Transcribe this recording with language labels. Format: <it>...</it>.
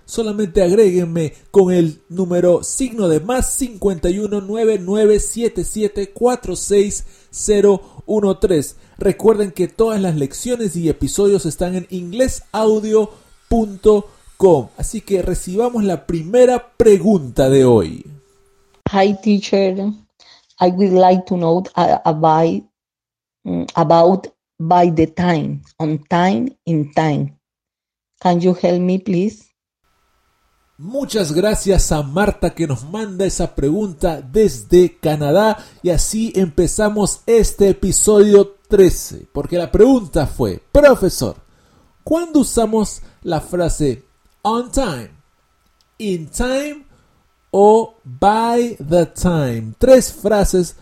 <es>Solamente agréguenme con el número signo de más 51 99 77 46 013. Recuerden que todas las lecciones y episodios están en inglesaudio.com. Así que recibamos la primera pregunta de hoy.</es> <en>Hi teacher, I would like to know about by the time, on time, in time. Can you help me, please?</en> <es>Muchas gracias a Marta que nos manda esa pregunta desde Canadá. Y así empezamos este episodio 13. Porque la pregunta fue, profesor, ¿cuándo usamos la frase on time, in time o by the time? Tres frases.</es>